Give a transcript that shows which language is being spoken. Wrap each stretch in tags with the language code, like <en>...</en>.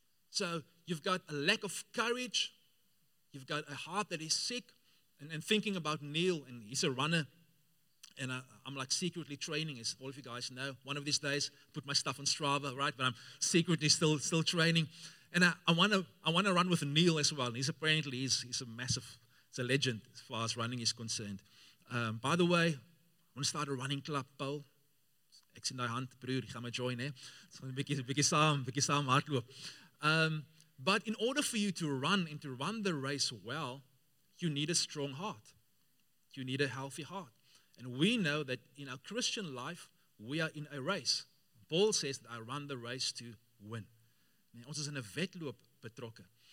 <en>So you've got a lack of courage, you've got a heart that is sick, and thinking about Neil, and he's a runner, and I'm like secretly training, as all of you guys know. One of these days, put my stuff on Strava, right? But I'm secretly still training, and I wanna run with Neil as well. And he's apparently a massive, it's a legend as far as running is concerned. By the way, I want to start a running club, Paul.</en> <af>Ek sien daai hand, broer, ek gaan my join, hè. So bietjie saam hardloop.</af> <en>But in order for you to run and to run the race well, you need a strong heart. You need a healthy heart. And we know that in our Christian life, we are in a race. Paul says that I run the race to win.</en> <af>Ons is in 'n wedloop betrokke.</af>